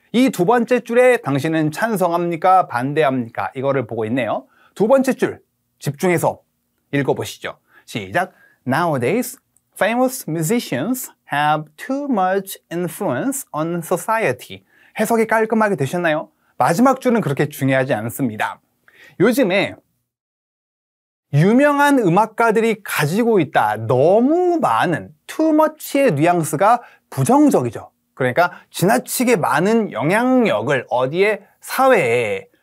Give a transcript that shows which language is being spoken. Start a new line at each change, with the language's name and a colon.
Korean: 이 두 번째 줄에 당신은 찬성합니까? 반대합니까? 이거를 보고 있네요. 두 번째 줄 집중해서 읽어보시죠. 시작!
English: Nowadays, famous musicians have too much influence on society.
Korean: 해석이 깔끔하게 되셨나요? 마지막 줄은 그렇게 중요하지 않습니다. 요즘에 유명한 음악가들이 가지고 있다. 너무 많은, too much의 뉘앙스가 부정적이죠. 그러니까 지나치게 많은 영향력을 어디에? 사회에.